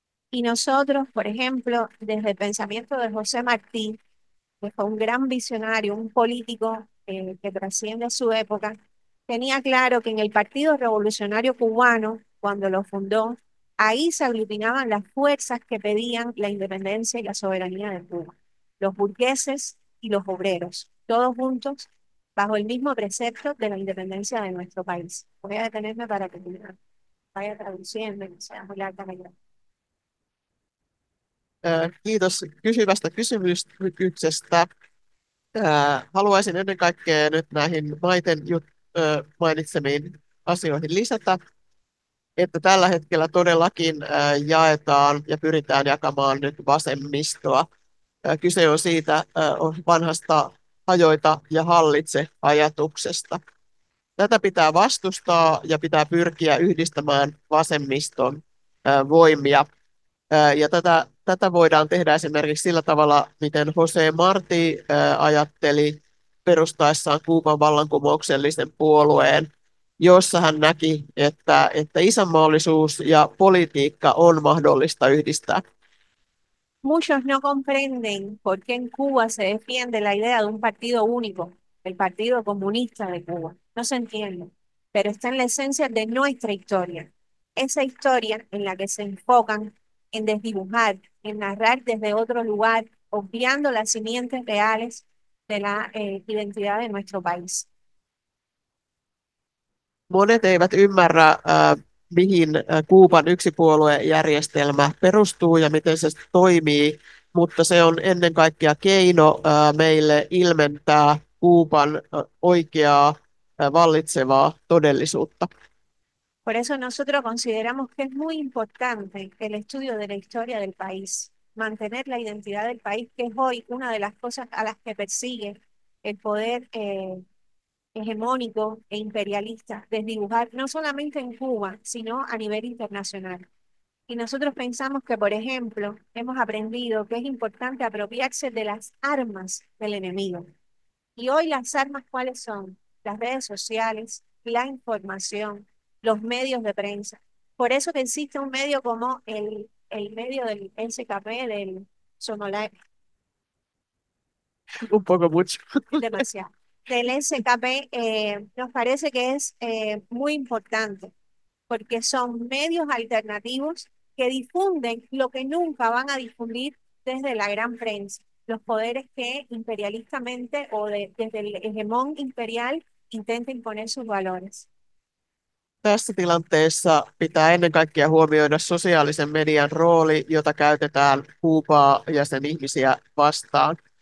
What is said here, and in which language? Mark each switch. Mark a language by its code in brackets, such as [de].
[es] Y nosotros, por ejemplo, desde el pensamiento de José Martí, que fue un gran visionario, un político que trasciende su época, tenía claro que en el Partido Revolucionario Cubano, cuando lo fundó, ahí se aglutinaban las fuerzas que pedían la independencia y la soberanía de Cuba, los burgueses y los obreros, todos juntos bajo el mismo precepto de la independencia de nuestro país. Voy a detenerme para que me vaya traduciendo y no sea muy larga la idea. [fi] Kiitos kysyvästä kysymyksestä. Haluaisin ennen kaikkea nyt näihin maiden mainitsemiin asioihin lisätä, että tällä hetkellä todellakin jaetaan ja pyritään jakamaan nyt vasemmistoa. Kyse on siitä vanhasta hajoita ja hallitse ajatuksesta. Tätä pitää vastustaa ja pitää pyrkiä yhdistämään vasemmiston voimia. Ja tätä voidaan tehdä esimerkiksi sillä tavalla, miten José Martí ajatteli perustaessaan Kuuban vallankumouksellisen puolueen, jossa hän näki, että isänmaallisuus ja politiikka on mahdollista yhdistää. [es] Muchos no comprenden por qué en Cuba se defiende la idea de un partido único, el Partido Comunista de Cuba. No se entiende, pero está en la esencia de nuestra historia. Esa historia en la que se enfocan en desdibujar, en narrar desde otro lugar, obviando las simientes reales de la identidad de nuestro país. [fi] Monet eivät ymmärrä, mihin Kuuban yksipuoluejärjestelmä perustuu ja miten se toimii, mutta se on ennen kaikkea keino meille ilmentää Kuuban oikeaa vallitsevaa todellisuutta. [es] Por eso nosotros consideramos que es muy importante el estudio de la historia del país, mantener la identidad del país, que es hoy una de las cosas a las que persigue el poder hegemónico e imperialista, desdibujar no solamente en Cuba, sino a nivel internacional. Y nosotros pensamos que, por ejemplo, hemos aprendido que es importante apropiarse de las armas del enemigo. Y hoy las armas, ¿cuáles son? Las redes sociales, la información, los medios de prensa. Por eso que existe un medio como el medio del SKP, del Sonolai. Un poco mucho. Demasiado. Del SKP nos parece que es muy importante porque son medios alternativos que difunden lo que nunca van a difundir desde la gran prensa, los poderes que imperialistamente o desde el hegemón imperial intenta imponer sus valores. [fi] Tässä tilanteessa pitää ennen kaikkea huomioida sosiaalisen median rooli, jota käytetään Kuubaa ja sen ihmisiä vastaan.